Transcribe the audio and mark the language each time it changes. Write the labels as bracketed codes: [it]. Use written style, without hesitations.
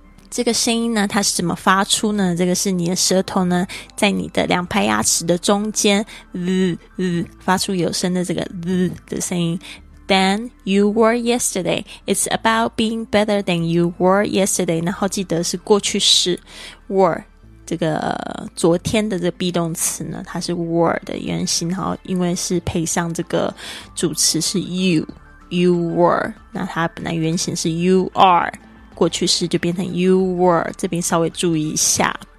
[zh] 这个声音呢它是怎么发出呢？这个是你的舌头呢在你的两排牙齿的中间 发出有声的这个 的声音。 [en] Than you were yesterday. It's about being better than you were yesterday. [zh] 然后记得是过去式 were, 这个昨天的这个 be 动词呢它是 were 的原型，然后因为是配上这个主词是 you were, 那它本来原型是 you are, 过去式就变成 you were, 这边稍微注意一下，